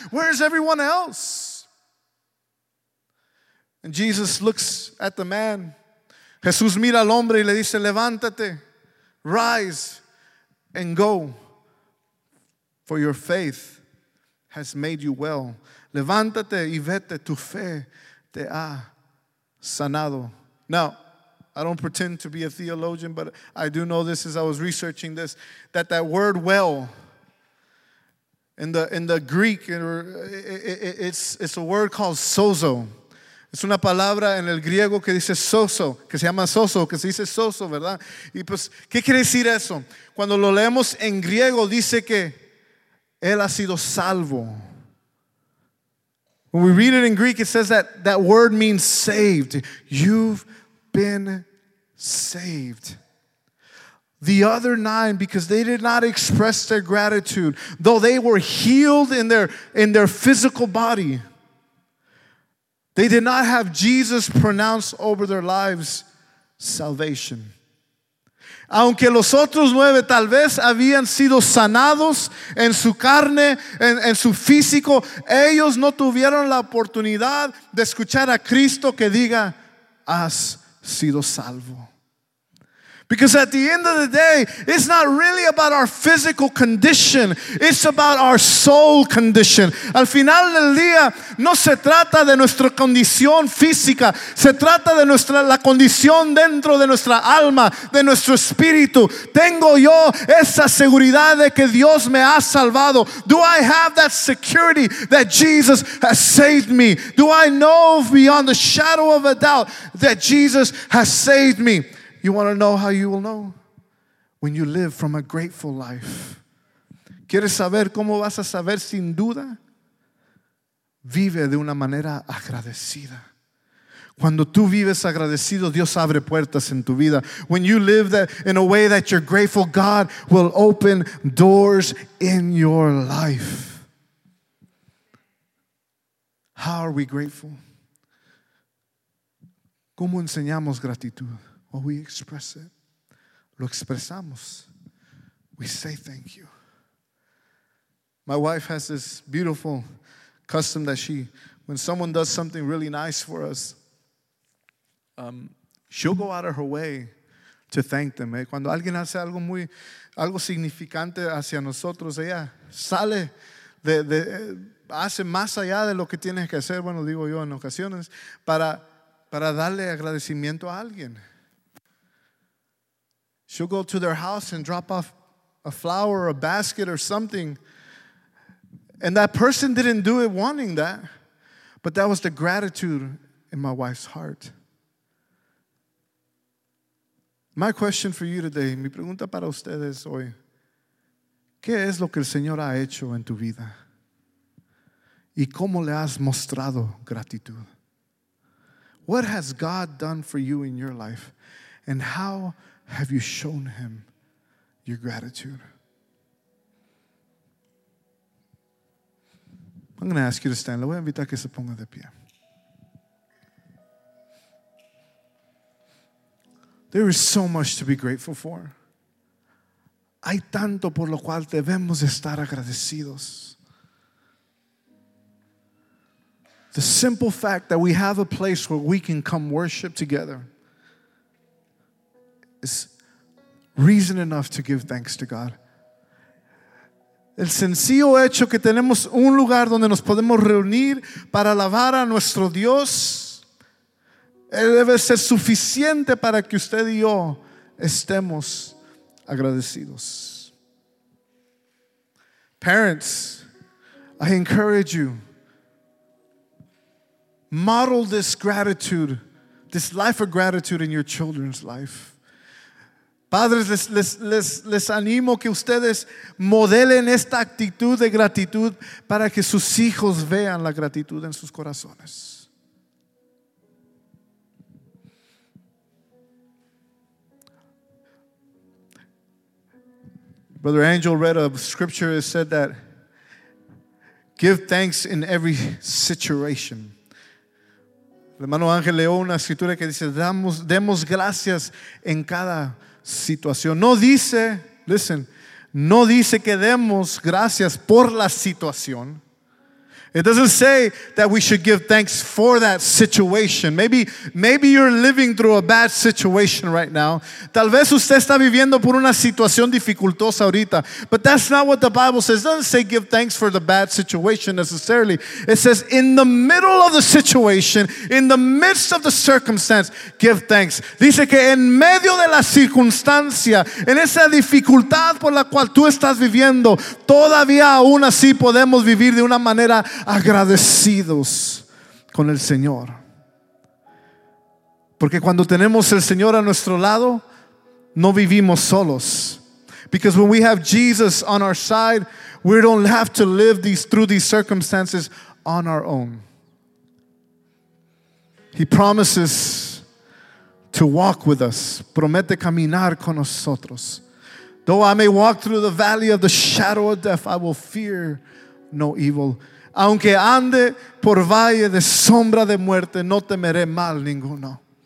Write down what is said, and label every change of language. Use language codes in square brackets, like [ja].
[en] Where is everyone else? And Jesus looks at the man. [es] Jesús mira al hombre y le dice, levántate, [en] rise and go, for your faith has made you well. [es] Levántate y vete, tu fe te ha sanado. [en] Now, I don't pretend to be a theologian, but I do know this as I was researching this, that word well, in the Greek, it's a word called sozo. [es] Es una palabra en el griego que dice soso, que se llama soso, que se dice soso, ¿verdad? Y pues, ¿qué quiere decir eso? Cuando lo leemos en griego, dice que él ha sido salvo. [en] When we read it in Greek, it says that word means saved. You've been saved. The other 9, because they did not express their gratitude, though they were healed in their physical body, they did not have Jesus pronounce over their lives salvation. [es] Aunque los otros 9 tal vez habían sido sanados en su carne, en su físico, ellos no tuvieron la oportunidad de escuchar a Cristo que diga, has sido salvo. [en] Because at the end of the day, it's not really about our physical condition. It's about our soul condition. [es] Al final del día, no se trata de nuestra condición física. Se trata de nuestra la condición dentro de nuestra alma, de nuestro espíritu. ¿Tengo yo esa seguridad de que Dios me ha salvado? [en] Do I have that security that Jesus has saved me? Do I know beyond the shadow of a doubt that Jesus has saved me? You want to know how you will know? When you live from a grateful life. [es] ¿Quieres saber cómo vas a saber sin duda? Vive de una manera agradecida. Cuando tú vives agradecido, Dios abre puertas en tu vida. [en] When you live that in a way that you're grateful, God will open doors in your life. How are we grateful? [es] ¿Cómo enseñamos gratitud? [en] Well, we express it. [es] Lo expresamos. [en] We say thank you. My wife has this beautiful custom that she, when someone does something really nice for us, she'll go out of her way to thank them. [es] Cuando alguien hace algo muy, algo significante hacia nosotros, ella sale de hace más allá de lo que tiene que hacer, bueno, digo yo en ocasiones, para darle agradecimiento a alguien. [en] She'll go to their house and drop off a flower or a basket or something. And that person didn't do it wanting that. But that was the gratitude in my wife's heart. My question for you today, [es] mi pregunta para ustedes hoy, ¿qué es lo que el Señor ha hecho en tu vida? ¿Y cómo le has mostrado gratitud? [en] What has God done for you in your life? And how have you shown him your gratitude? I'm going to ask you to stand. [es] Le voy a invitar que se ponga de pie. [en] There is so much to be grateful for. [es] Hay tanto por lo cual debemos estar agradecidos. [en] The simple fact that we have a place where we can come worship together is reason enough to give thanks to God. [es] El sencillo hecho que tenemos un lugar donde nos podemos reunir para alabar a nuestro Dios, él debe ser suficiente para que usted y yo estemos agradecidos. [en] Parents, I encourage you, model this gratitude, this life of gratitude in your children's life. [es] Padres, les animo que ustedes modelen esta actitud de gratitud para que sus hijos vean la gratitud en sus corazones. [en] Brother Angel read a scripture that said that give thanks in every situation. [es] El hermano Ángel leó una escritura que dice demos gracias en cada situación. No dice, [en] listen, [es] no dice que demos gracias por la situación. [en] It doesn't say that we should give thanks for that situation. Maybe you're living through a bad situation right now. [es] Tal vez usted está viviendo por una situación dificultosa ahorita. [en] But that's not what the Bible says. It doesn't say give thanks for the bad situation necessarily. It says in the middle of the situation, in the midst of the circumstance, give thanks. [es] Dice que en medio de la circunstancia, en esa dificultad por la cual tú estás viviendo, todavía aún así podemos vivir de una manera agradecidos con el Señor. Porque cuando tenemos el Señor a nuestro lado, no vivimos solos. [en] Because when we have Jesus on our side, we don't have to live through these circumstances on our own. He promises to walk with us. [es] Promete caminar con nosotros. [en] Though I may walk through the valley of the shadow of death, I will fear no evil. [es] Aunque ande por valle de sombra de muerte, no temeré mal ninguno.